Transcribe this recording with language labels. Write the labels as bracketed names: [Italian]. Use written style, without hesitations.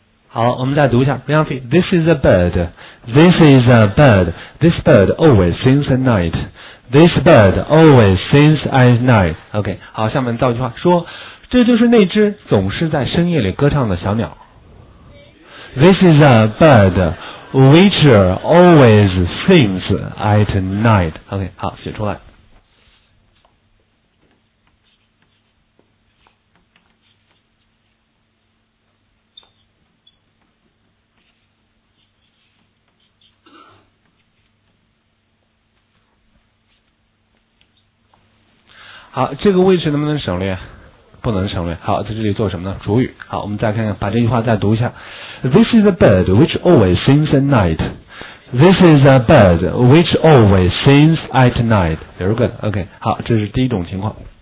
[Chinese] 好，我们再读一下。 [English] This is a bird. This is a bird. This bird always sings at night. This bird always sings at night. [Chinese] OK， 好，下面造句话，说这就是那只总是在深夜里歌唱的小鸟。 [English] This is a bird which always sings at night. [Chinese] OK， 好，写出来。好，这个位置能不能省略？不能省略。好，在这里做什么呢？主语。好，我们再看看，把这句话再读一下。 [English] This is a bird which always sings at night. This is a bird which always sings at night. Very good. [Chinese] OK， 好，这是第一种情况。